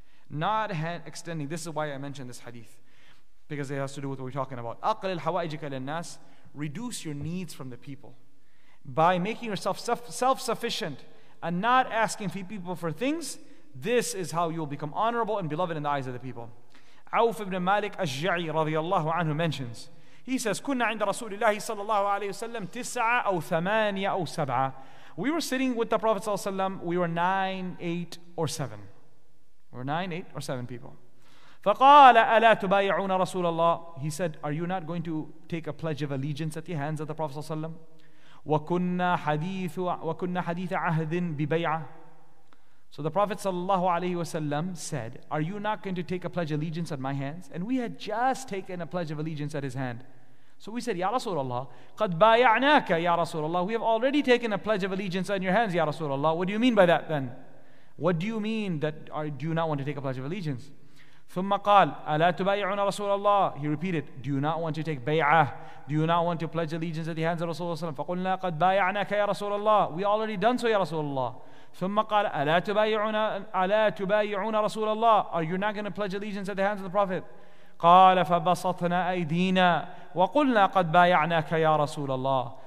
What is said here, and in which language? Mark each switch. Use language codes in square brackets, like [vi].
[en] Not extending. This is why I mentioned this hadith, because it has to do with what we're talking about. Aqlil hawa'ijika lin nas. Reduce your needs from the people by making yourself self-sufficient and not asking people for things. This is how you will become honorable and beloved in the eyes of the people. Awf ibn Malik al-Ja'i radiyallahu anhu mentions, he says, [ar] كنا عند رسول الله صلى الله عليه وسلم تسعة أو ثمانية أو سبعة. [en] We were sitting with the Prophet [ar] صلى الله عليه وسلم. [en] We were 9, 8, or 7. We were 9, 8, or 7 people. [ar] فقال ألا تبايعون رسول الله. [en] He said, are you not going to take a pledge of allegiance at the hands of the Prophet [ar] صلى الله عليه وسلم. وكنا حديث عهد ببيعة. [en] So the Prophet sallallahu alaihi wasallam said, are you not going to take a pledge of allegiance at my hands? And we had just taken a pledge of allegiance at his hand. So we said, ya Rasulullah, qad bay'anaka ya Rasulullah. We have already taken a pledge of allegiance on your hands, ya Rasulullah. What do you mean by that then? What do you mean that do you not want to take a pledge of allegiance? Thumma qal, ala tubay'una Rasulullah. He repeated, do you not want to take bay'ah? Do you not want to pledge allegiance at the hands of Rasulullah sallallahu alaihi wasallam? Faqulna qad bay'anaka ya Rasulullah. We already done so, ya Rasulullah. [ar] ثم قال ألا تبايعون رسول الله. [en] Are you not going to pledge allegiance at the hands of the Prophet? [ar] قال فبسطنا أيدينا وقلنا قد بايعناك يا رسول الله.